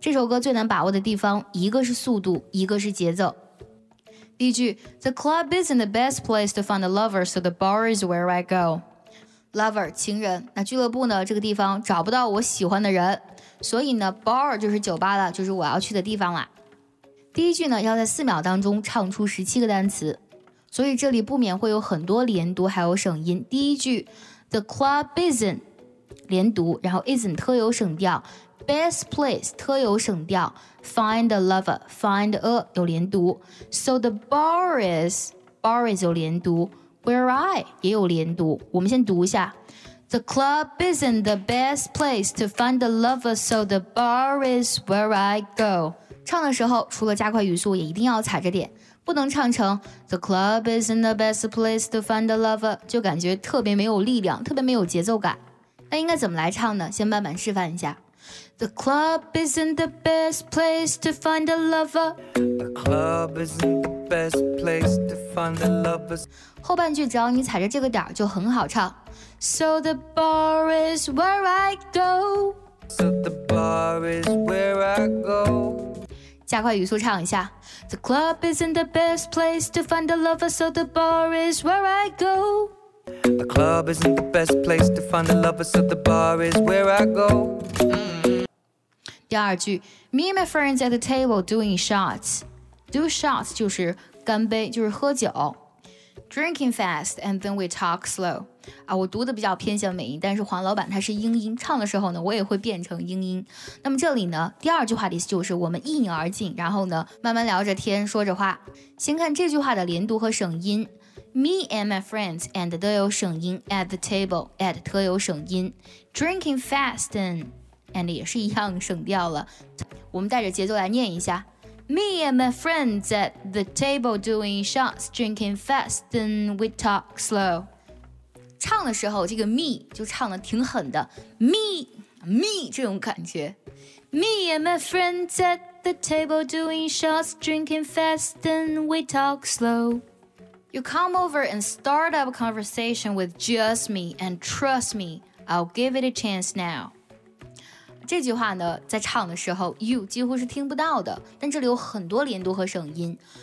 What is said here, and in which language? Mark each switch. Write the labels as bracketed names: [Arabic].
[Chinese] 歌最难把握的地方，一个是速度，一个是节奏。第一句 [English] The club isn't the best place to find a lover, so the bar is where I go. [Chinese] Lover, 情人，那俱乐部呢，这个地方找不到我喜欢的人，所以呢 bar 就是酒吧了，就是我要去的地方了。第一句呢要在四秒当中唱出17个单词，所以这里不免会有很多连读还有省音。第一句 [English] The club isn't [Chinese] 连读，然后 isn't 特有省调，Best place 特有省调 ， [English] find a lover find a [Chinese] 有连读 ， [English] so the bar is [Chinese] 有连读 ，where I 也有连读。我们先读一下 [English] ，the club isn't the best place to find a lover, so the bar is where I go。 [Chinese] 唱的时候除了加快语速，也一定要踩着点，不能唱成 [English] the club isn't the best place to find a lover， [Chinese] 就感觉特别没有力量，特别没有节奏感。那应该怎么来唱呢？先慢慢示范一下。 [English] The club isn't the best place to find a lover. The club isn't the best place to find a lover. [Chinese] 后半句只要你踩着这个点就很好唱。 [English] So the bar is where I go. So the bar is where I go. [Chinese] 加快语速唱一下。 [English] The club isn't the best place to find a lover. So the bar is where I go. The club isn't the best place to find a lover. So the bar is where I go. [Chinese] 第二句 [English] Me and my friends at the table doing shots. [Chinese] Do shots 就是干杯，就是喝酒。 [English] Drinking fast and then we talk slow. [Chinese] 啊，我读的比较偏向美音，但是黄老板他是英音，唱的时候呢我也会变成英音。那么这里呢第二句话的意思就是我们一饮而尽，然后呢慢慢聊着天说着话。先看这句话的连读和省音。 [English] Me and my friends and [Chinese] 都有省音， [English] at the table at [Chinese] 特有省音。 Drinking fast andand 也是一样省掉了。我们带着节奏来念一下 [English] Me and my friends at the table doing shots, drinking fast and we talk slow. [Chinese] 唱的时候这个 me 就唱得挺狠的 me 这种感觉。 [English] Me and my friends at the table doing shots, drinking fast and we talk slow. You come over and start up a conversation with just me, and trust me, I'll give it a chance now. [Chinese] 这句话呢在唱的时候 you 几乎是听不到的，但这里有很多连读和省音。